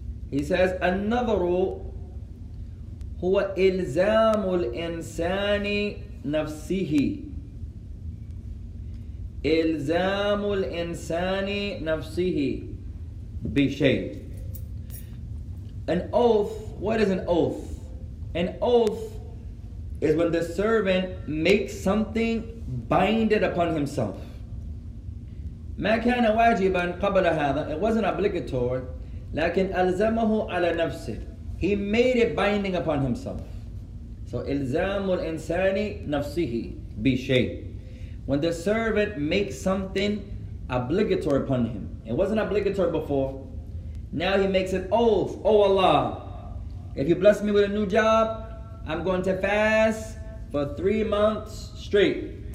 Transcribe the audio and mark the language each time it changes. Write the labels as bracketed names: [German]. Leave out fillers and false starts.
[English] He says [Arabic] النظر هو إلزام الإنسان نفسه. إلزام الإنسان نفسه بشيء. [English] An oath, what is an oath? An oath is when the servant makes something binded upon himself. [Arabic] ما كان واجبا قبل هذا, [English] it wasn't obligatory, [Arabic] لكن ألزمه على نفسه. [English] He made it binding upon himself. So [Arabic] إلزام الإنسان نفسه بشيء. [English] When the servant makes something obligatory upon him. It wasn't obligatory before. Now he makes an oath. Oh Allah, if you bless me with a new job, I'm going to fast for 3 months straight.